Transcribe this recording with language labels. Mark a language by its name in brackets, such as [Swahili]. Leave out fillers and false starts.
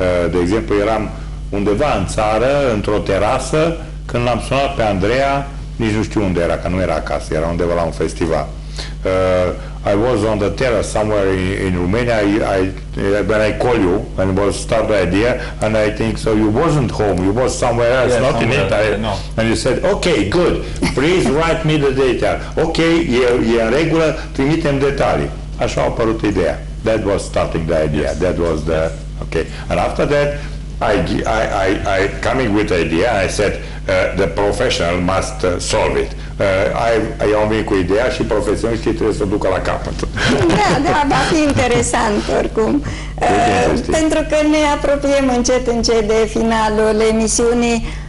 [Romanian] De exemplu, eram undeva în țară, într-o terasă, când l-am sunat pe Andreea, nici nu știu unde era, că nu era acasă, era undeva la un festival. [English] I was on the terrace somewhere in Romania. When I call you, and it was start the idea, and I think so. You wasn't home. You was somewhere else, yeah, not somewhere, in Italy. No. And you said, okay, good. Please write me the data. Okay, [Romanian] e în regulă. Trimite-mi detalii. Așa a apărut ideea. [English] That was starting the idea. Yes. That was the okay. And after that, I coming with the idea. I said the professional must solve it. [Romanian] Ai omit cu ideea și profesioniștii trebuie să ducă la capăt. Da, va fi interesant oricum. Pentru că ne apropiem încet, încet de finalul emisiunii.